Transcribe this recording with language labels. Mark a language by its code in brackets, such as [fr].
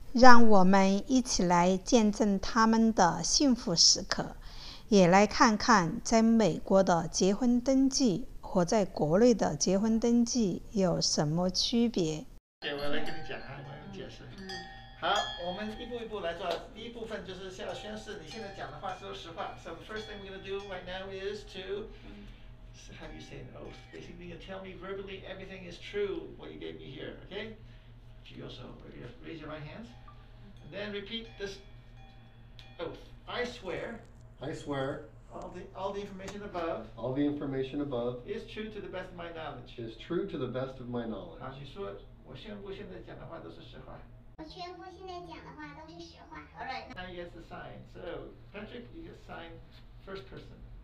[zh] 让我们一起来见证他们的幸福时刻，也来看看在美国的结婚登记和在国内的结婚登记有什么区别。对，我来跟你讲啊，解释。好，我们一步一步来做。第一部分就是先要宣誓，你现在讲的话说实话。 [en] So the first thing we're going to do right now is to, how do you say an oath? Basically, you tell me verbally everything is true, what you gave me here, okay? Do you also raise your right hands? And then repeat this oath. I swear. All the information above. All the information above. Is true to the best of my knowledge. Is true to the best of my knowledge. [zh] 好，你说，我宣布现在讲的话都是实话。我宣布现在讲的话都是实话。 [en] All right, now you get to sign. So, Patrick, you get signed first person.